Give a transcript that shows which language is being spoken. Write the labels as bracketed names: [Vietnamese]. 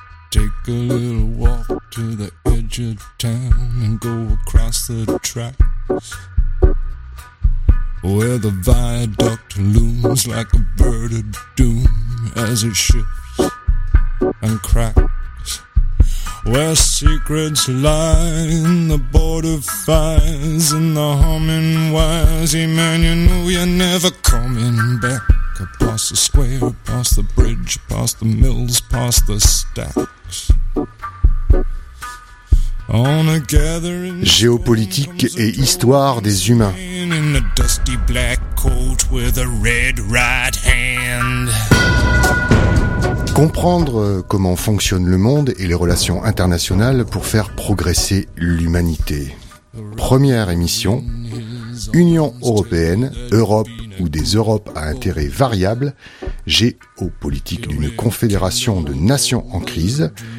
[English] take a little walk to the edge of town and go across the tracks, where the viaduct looms like a bird of doom as it shifts and cracks, where secrets lie in the border fires and the humming wires. Hey man, you know you're never coming back. Across the square, past the bridge, past the mills, past the stacks. On a gathering. [French] Géopolitique et histoire des humains. [English] In a dusty black coat with a red right hand. [French] Comprendre comment fonctionne le monde et les relations internationales pour faire progresser l'humanité. Première émission. Union européenne, Europe ou des Europes à intérêts variables, géopolitique d'une confédération de nations en crise.